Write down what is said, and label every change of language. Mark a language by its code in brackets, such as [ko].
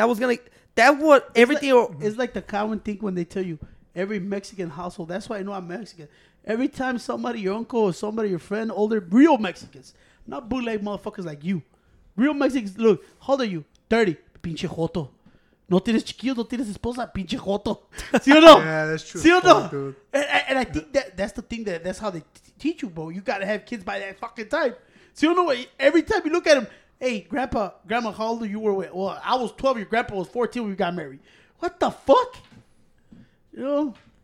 [en] I was going to, that's what it's everything. Like, it's like the common thing when they tell you every Mexican household. That's why I know I'm Mexican. Every time somebody, your uncle or somebody, your friend, older, real Mexicans, not bootleg motherfuckers like you. Real Mexicans, look, how old are you? 30. [es] Pinche joto. No tienes chiquillos, no tienes esposa, pinche joto. ¿Sí o no? [en] Yeah, that's true. [es] ¿Sí o no? [en] And I think that's the thing that's how they teach you, bro. You got to have kids by that fucking time. [es] ¿Sí o no? [en] Every time you look at him, hey, grandpa, grandma, how old are you were with? Well, I was 12. Your grandpa was 14 when we got married. What the fuck? You know?